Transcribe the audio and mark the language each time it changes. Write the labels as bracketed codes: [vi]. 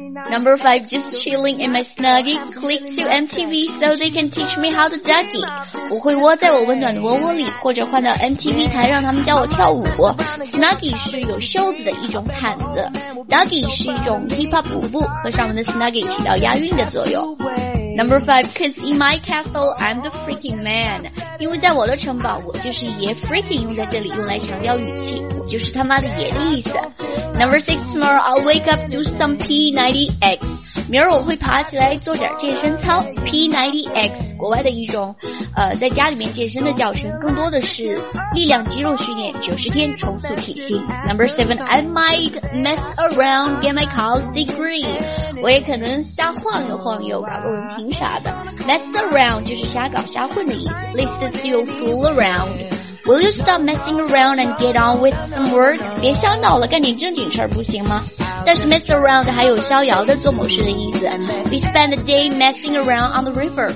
[en] Number five, just chilling in my snuggie, click to MTV so they can teach me how to duckie. [zh] 我会窝在我温暖的窝窝里，或者换到 MTV 台让他们教我跳舞。 Snuggie 是有袖子的一种毯子， duckie 是一种 hip hop 舞步，和上面的 snuggie 起到押韵的作用。 [en] Number five, cause in my castle, I'm the freaking man. [zh] 因为在我的城堡，我就是爷。 Freaking 用在这里用来强调语气，我就是他妈的爷的意思。 [en] Number six, tomorrow I'll wake up, do some P90X. [zh] 明儿我会爬起来做点健身操。 P90X, 国外的一种在家里面健身的教程，更多的是力量肌肉训练，90天重塑体型。 [en] Number seven, I might mess around, get my college degree. [zh] 我也可能瞎晃悠晃悠，搞个文凭啥的。 Mess around 就是瞎搞瞎混的意思，类似 [en] still fool around。 Will you stop messing around and get on with some work? [zh] 别瞎闹了，干点正经事儿不行吗？但是 mess around 还有逍遥的做某事的意思。 [en] We spend the day messing around on the river.